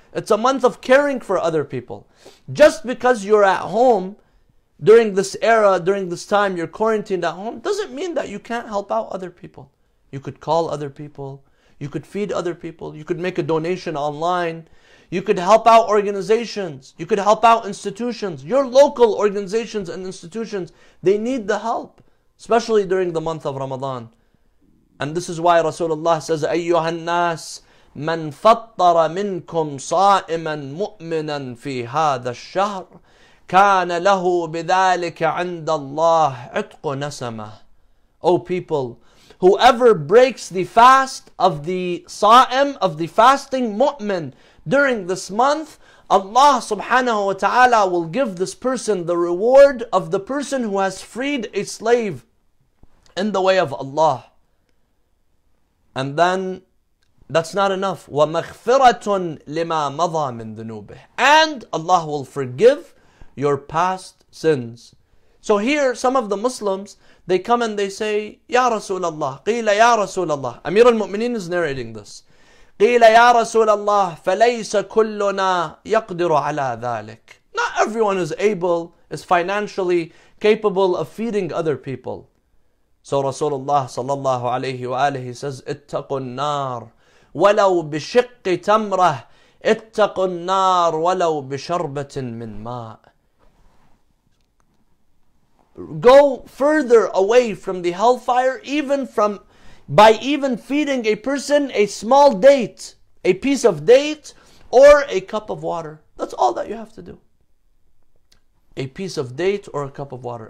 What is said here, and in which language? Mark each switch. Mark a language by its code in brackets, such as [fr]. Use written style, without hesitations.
[en] It's a month of caring for other people. Just because you're at home during this era, during this time, you're quarantined at home, doesn't mean that you can't help out other people. You could call other people. You could feed other people. You could make a donation online. You could help out organizations. You could help out institutions. Your local organizations and institutions, they need the help, especially during the month of Ramadan. And this is why Rasulullah says, [ar] أَيُّهَا النَّاسِ مَنْ فَطَّرَ مِنْكُمْ صَائِمًا مُؤْمِنًا فِي هَذَا الشَّهْرِ كَانَ لَهُ بِذَٰلِكَ عِنْدَ اللَّهِ عِتْقُ نَسَمَةٍ. [en] O people, whoever breaks the fast of the sa'im, of the fasting mu'min during this month, Allah subhanahu wa ta'ala will give this person the reward of the person who has freed a slave in the way of Allah. And then, that's not enough. [ar] وَمَغْفِرَةٌ لِمَا مَضَى مِنْ ذُنُوبِهِ. [en] And Allah will forgive your past sins. So here, some of the Muslims, they come and they say, Ya Rasulallah, [ar] قِيلَ يَا رَسُولَ اللَّهِ. [en] Amir al-Mu'mineen is narrating this. [ar] قِيلَ يَا رَسُولَ اللَّهِ فَلَيْسَ كُلُّنَا يَقْدِرُ عَلَى ذَلِكَ. [en] Not everyone is able, is financially capable of feeding other people. So Rasulullah sallallahu alayhi wa alayhi says, [ar] اتقوا النار ولو بشق تمرة اتقوا النار ولو بشربة من ماء. [en] Go further away from the hellfire, even from by even feeding a person a small date, a piece of date, or a cup of water. That's all that you have to do. A piece of date or a cup of water.